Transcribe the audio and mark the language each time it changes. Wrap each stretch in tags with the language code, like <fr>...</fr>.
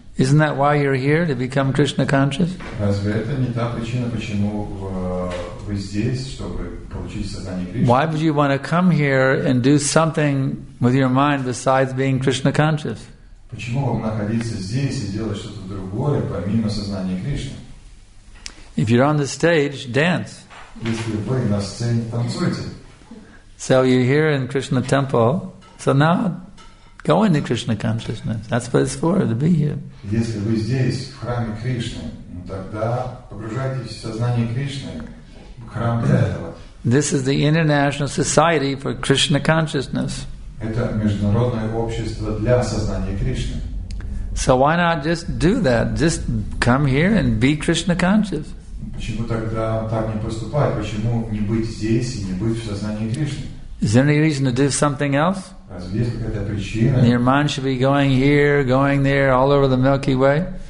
<en>Isn't that why you're here, to become Krishna conscious?</en> <ru>Разве это не та причина, почему вы здесь, чтобы получить сознание Кришны?</ru> <en>Why would you want to come here and do something with your mind besides being Krishna conscious?</en> <ru>Почему вам находиться здесь и делать что-то другое, помимо сознания Кришны?</ru> <en>If you're on the stage, dance.</en> <ru>Если вы на сцене, танцуйте.</ru> <en>So you're here in Krishna temple. So now, go into Krishna consciousness. That's what it's for, to be here.</en> <ru>Если вы здесь, в храме Кришны, тогда погружайтесь в сознание Кришны, в храм для этого.</ru> <en>This is the International Society for Krishna Consciousness.</en> <ru>Это международное общество для сознания Кришны.</ru> <en>So why not just do that? Just come here and be Krishna conscious.</en> <ru>Почему тогда так не поступать? Почему не быть здесь и не быть в сознании Кришны?</ru> <en>Is there any reason to do something else? Your mind should be going here, going there, all over the Milky Way.</en>